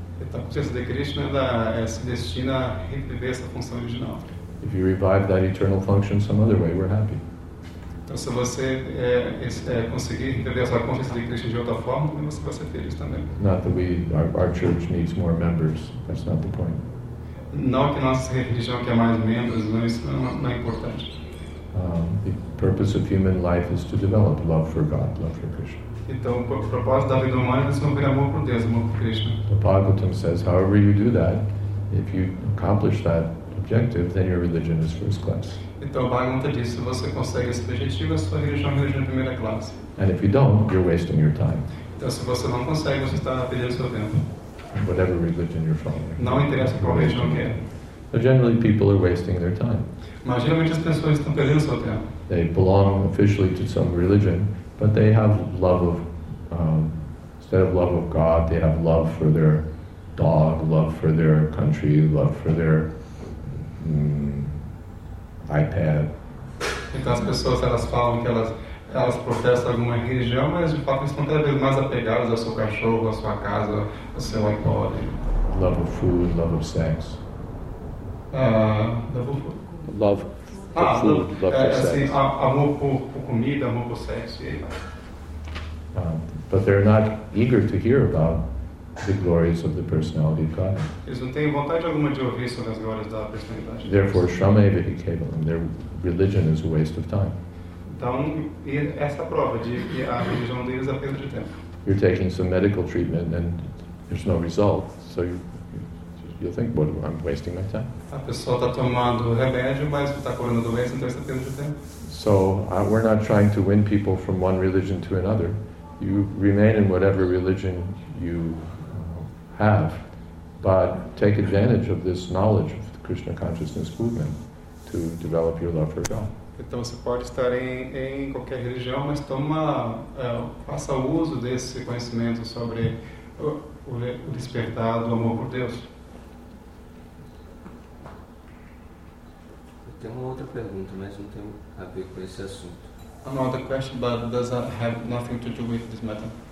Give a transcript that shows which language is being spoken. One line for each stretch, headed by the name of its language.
Portuguese: Então, a consciência de Krishna se destina a reviver essa função original.
English: If you revive that eternal function some other way, we're happy.
Portuguese: Então, se você conseguir entender essa consciência de Cristo de outra forma, também você vai ser feliz também.
English: Not that our church needs more members. That's not the point.
Portuguese: Não que nossa religião quer mais membros, não, isso não é importante.
English: The purpose of human life is to develop love for God, love for Krishna.
Portuguese: Então, o propósito da vida humana é desenvolver amor por Deus, amor por Krishna.
English: The Bhagavatam says, however you do that, if you accomplish that objective, then your religion is first class.
Portuguese: Então, Bhagavata diz, se você consegue esse objetivo, sua religião é uma religião de primeira classe.
English: And if you don't, you're wasting your time.
Portuguese: Então, se você não consegue, você está perdendo seu tempo.
English: Whatever religion you're following.
Portuguese: Não interessa qual religião que é.
English: So generally, people are wasting their time.
Portuguese: Mas geralmente as pessoas estão perdendo seu tempo.
English: They belong officially to some religion, but they have love of, instead of love of God, they have love for their dog, love for their country, love for their iPad.
Portuguese: Então as pessoas elas falam que elas professam alguma religião, mas de fato estão cada vez mais apegadas ao seu cachorro, à sua casa, ao seu iPod.
English: Love of food, love of sex. Love of food. Love for food, love for
Portuguese: sex. Amor por comida, amor por sexo.
English: But they're not eager to hear about the glories of the personality of God.
Portuguese: Eles não têm vontade alguma de ouvir sobre as glórias da personalidade.
English: Therefore, shramevihi kevalam, their religion is a waste of time.
Portuguese: Então, essa prova de que a religião deles é perda de tempo.
English: You're taking some medical treatment and there's no result, so you think, well, I'm wasting my time.
Portuguese: A pessoa está tomando remédio, mas está curando doença, então está perda de tempo.
English: So we're not trying to win people from one religion to another. You remain in whatever religion you have, but take advantage of this knowledge of the Krishna consciousness movement to develop your love for God.
Portuguese: Então você pode estar em qualquer religião, mas faça uso desse conhecimento sobre o despertar do amor por Deus. Tem uma outra pergunta, mas não tem a ver com esse assunto.
English: Another question, but does that have nothing to do with this matter?